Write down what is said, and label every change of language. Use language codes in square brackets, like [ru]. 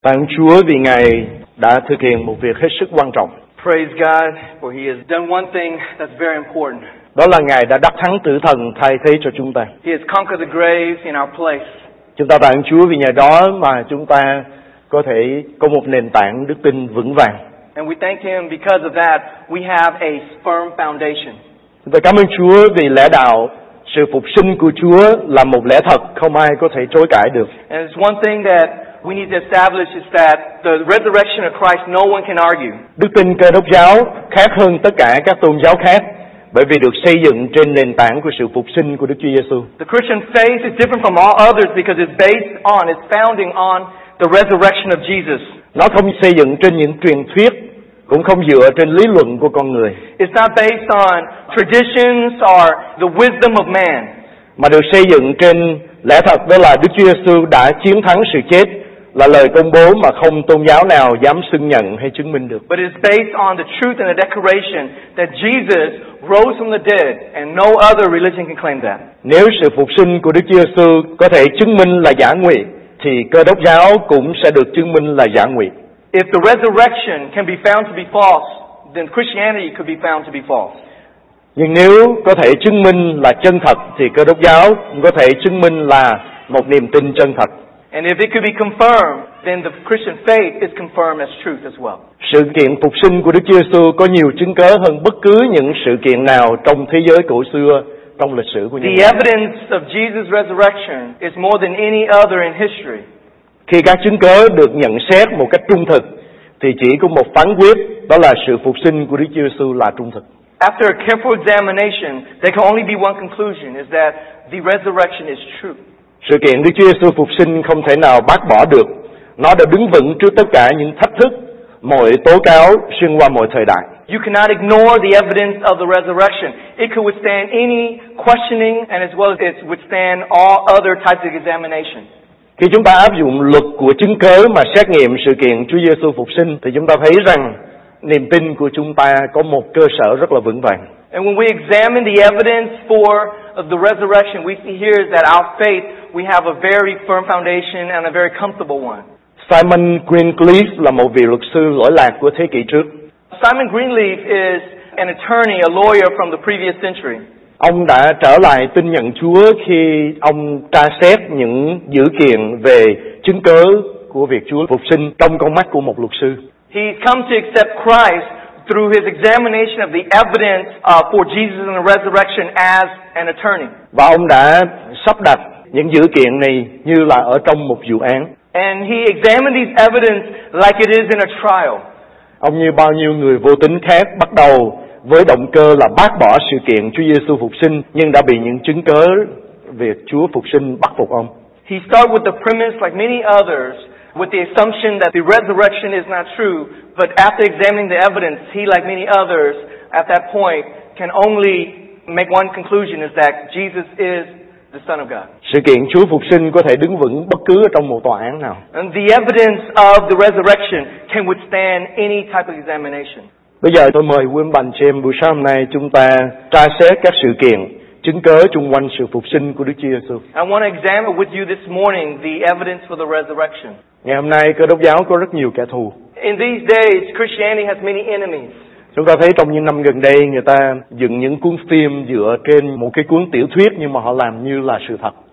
[vi] Thánh Chúa vì Ngài đã thực hiện một việc hết sức quan trọng. [en] Praise God, for He has done one thing that's very important. [vi] Đó là Ngài đã đắc thắng tử thần thay thế cho chúng ta. [en] He has conquered the grave in our place. [vi] Chúng ta thánh Chúa vì nhờ đó mà chúng ta có thể có một nền tảng đức tin vững vàng. [en] And we thank Him because of that, we have a firm foundation. [vi] Chúng ta cảm ơn Chúa vì lẽ đạo, sự phục sinh của Chúa là một lẽ thật, không ai có thể chối cãi được. [en] And it's one thing that we need to establish is that the resurrection of Christ, no one can argue. [vi] Đức tin Cơ Đốc giáo khác hơn tất cả các tôn giáo khác, bởi vì được xây dựng trên nền tảng của sự phục sinh của Đức Chúa Giêsu. [en] The Christian faith is different from all others because it's based on, it's founding on the resurrection of Jesus. [vi] Nó không xây dựng trên những truyền thuyết, cũng không dựa trên lý luận của con người. [en] It's not based on traditions or the wisdom of man. [vi] Mà được xây dựng trên lẽ thật, đó là Đức Chúa Giêsu đã chiến thắng sự chết, là lời công bố mà không tôn giáo nào dám xưng nhận hay chứng minh được. [en] But it's based on the truth and the declaration that Jesus rose from the dead and no other religion can claim that. [vi] Nếu sự phục sinh của Đức Chúa Giêsu có thể chứng minh là giả ngụy, thì Cơ Đốc giáo cũng sẽ được chứng minh là giả ngụy. [en] If the resurrection can be found to be false, then Christianity could be found to be false. [vi] Nhưng nếu có thể chứng minh là chân thật, thì Cơ Đốc giáo cũng có thể chứng minh là một niềm tin chân thật. [en] And if it could be confirmed, then the Christian faith is confirmed as truth as well. [vi] Sự kiện phục sinh của Đức Chúa Giêsu có nhiều chứng cớ hơn bất cứ những sự kiện nào trong thế giới cổ xưa, trong lịch sử của nhân loại. [en] The evidence of Jesus' resurrection is more than any other in history. [vi] Khi các chứng cớ được nhận xét một cách trung thực, thì chỉ có một phán quyết, đó là sự phục sinh của Đức Chúa Giêsu là trung thực. [en] After a careful examination, there can only be one conclusion, is that the resurrection is true. [vi] Sự kiện Đức Chúa Giêsu phục sinh không thể nào bác bỏ được. Nó đã đứng vững trước tất cả những thách thức, mọi tố cáo xuyên qua mọi thời đại. [en] You cannot ignore the evidence of the resurrection. It could withstand any questioning and as well as it withstand all other types of examination. [vi] Khi chúng ta áp dụng luật của chứng cớ mà xét nghiệm sự kiện Chúa Giêsu phục sinh, thì chúng ta thấy rằng niềm tin của chúng ta có một cơ sở rất là vững vàng. [en] And when we examine the evidence for the resurrection, we see here is that our faith, we have a very firm foundation and a very comfortable one. [vi] Simon Greenleaf là một vị luật sư lỗi lạc của thế kỷ trước. [en] Simon Greenleaf is an attorney, a lawyer from the previous century. [vi] Ông đã trở lại tin nhận Chúa khi ông tra xét những dữ kiện về chứng cớ của việc Chúa phục sinh trong con mắt của một luật sư. [en] He's come to accept Christ through his examination of the evidence for Jesus and the resurrection as an attorney. [vi] Và ông đã sắp đặt những dữ kiện này như là ở trong một vụ án. [en] And he examined these evidence like it is in a trial. [vi] Ông như bao nhiêu người vô tín khác bắt đầu với động cơ là bác bỏ sự kiện Chúa Giêsu phục sinh, nhưng đã bị những chứng cớ việc Chúa phục sinh bắt phục ông. [en] He started with the premise like many others, with the assumption that the resurrection is not true, but after examining the evidence, he like many others at that point can only make one conclusion, is that Jesus is the Son of God. [vi] Sự kiện Chúa phục sinh có thể đứng vững bất cứ trong một tòa án nào. [en] And the evidence of the resurrection can withstand any type of examination. [vi] Bây giờ tôi mời quý ông bà chị em buổi sáng hôm nay chúng ta tra xét các sự kiện chứng cớ chung quanh sự phục sinh của Đức Chúa Giêsu. [en] I want to examine with you this morning the evidence for the resurrection. [vi] Ngày hôm nay Cơ Đốc giáo có rất nhiều kẻ thù. [en] In these days Christianity has many enemies. [vi] Chúng ta thấy trong những năm gần đây người ta dựng những cuốn phim dựa trên một cái cuốn tiểu thuyết nhưng mà họ làm như là sự thật.